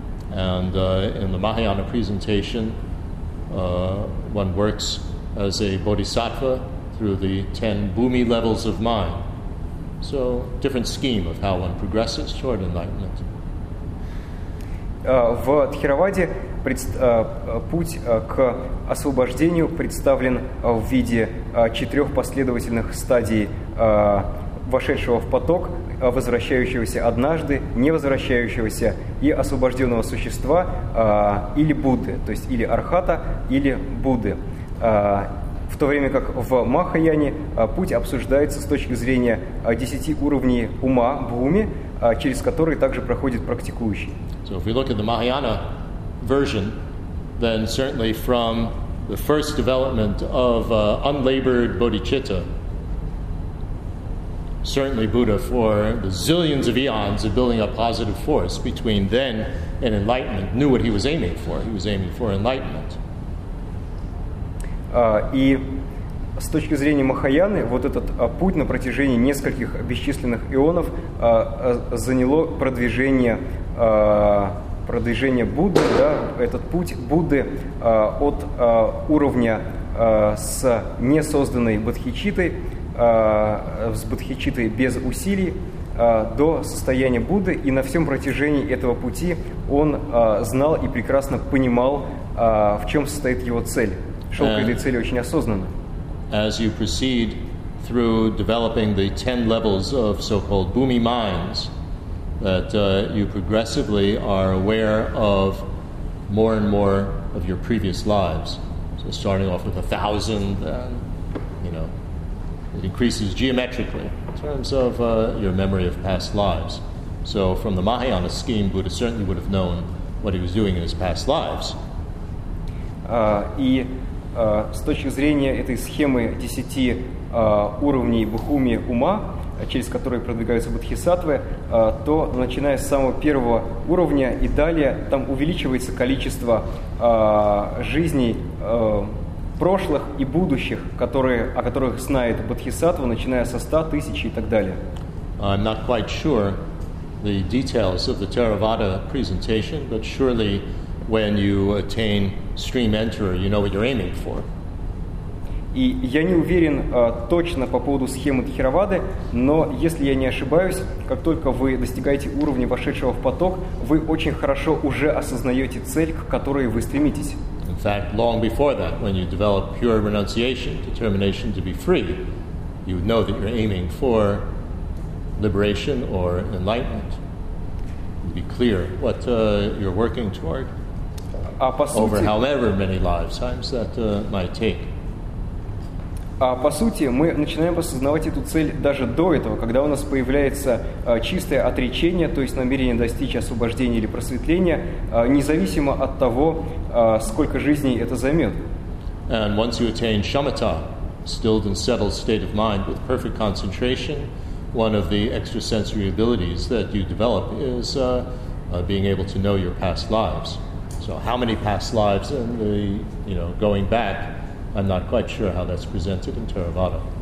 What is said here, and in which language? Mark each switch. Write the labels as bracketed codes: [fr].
[en] And in the Mahayana presentation, one works as a bodhisattva through the 10 bhumi levels of mind. So, different scheme of how one progresses toward enlightenment. [ru] В Тхераваде путь к освобождению представлен в виде четырех последовательных стадий вошедшего в поток, возвращающегося однажды, невозвращающегося и освобожденного существа или Будды, то есть или Архата, или Будды. В то время как в Махаяне путь обсуждается с точки зрения 10 уровней ума, бхуми, через которые также проходит практикующий. [en] So if we look at the Mahayana version, then certainly from the first development of unlabored bodhicitta, certainly Buddha, for the zillions of eons of building up positive force between then and enlightenment, knew what he was aiming for. He was aiming for enlightenment. [ru] И с точки зрения Махаяны, вот этот путь на протяжении нескольких бесчисленных ионов заняло продвижение Будды, да, этот путь Будды от уровня с несозданной бодхичиттой, с бодхичиттой без усилий, до состояния Будды, и на всем протяжении этого пути он знал и прекрасно понимал, в чем состоит его цель. [en] And as you proceed through developing the 10 levels of so-called bhumi minds, that you progressively are aware of more and more of your previous lives. So starting off with 1,000, then, you know, it increases geometrically in terms of your memory of past lives. So from the Mahayana scheme, Buddha certainly would have known what he was doing in his past lives. [ru] С точки зрения этой схемы 10 уровней бхуми ума, через которые продвигаются бодхисаттвы, то начиная с самого первого уровня и далее, там увеличивается количество жизней прошлых и будущих, о которых знает бодхисаттва, начиная со 100 тысяч и так далее. [en] I'm not quite sure the details of the Theravada presentation, but surely when you attain stream enterer, you know what you're aiming for. [ru] И я не уверен точно по поводу схемы Тхеравады, но если я не ошибаюсь, как только вы достигаете уровня вошедшего в поток, вы очень хорошо уже осознаете цель, к которой вы стремитесь. [en] In fact, long before that, when you develop pure renunciation, determination to be free, you know that you're aiming for liberation or enlightenment. It'd be clear what you're working toward. Over however many lifetimes that might take. [ru] По сути, мы начинаем осознавать эту цель даже до этого, когда у нас появляется чистое отречение, то есть намерение достичь освобождения или просветления, независимо от того, сколько жизней это займет. [en] And once you attain shamatha, stilled and settled state of mind with perfect concentration, one of the extrasensory abilities that you develop is being able to know your past lives. So how many past lives and the, you know, going back, I'm not quite sure how that's presented in Theravada.